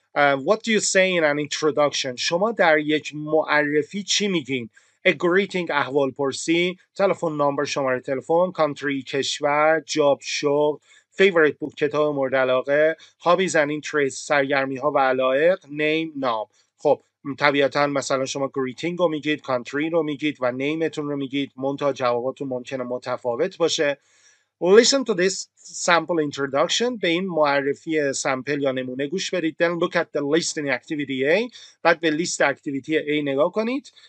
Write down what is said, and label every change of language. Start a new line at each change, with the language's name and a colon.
English: What do you say in an introduction؟
Persian: شما در یک معرفی چی میگین؟ A greeting، احوال پرسی، تلفن نمبر، شماره تلفن، country، کشور، job، شغل، favorite book، کتاب مورد علاقه،
English: hobbies and interests،
Persian: سرگرمی ها و علایق، name، نام. خب طبیعتاً مثلا شما greeting رو میگید، country رو میگید و نیمتون رو میگید، منتها جواباتون ممکنه متفاوت باشه.
English: Listen to this sample introduction.
Persian: به این معرفی سمپل یا نمونه گوش بدید.
English: Then look at the list in activity A.
Persian: بعد به لیست اکتیویتی A نگاه کنید.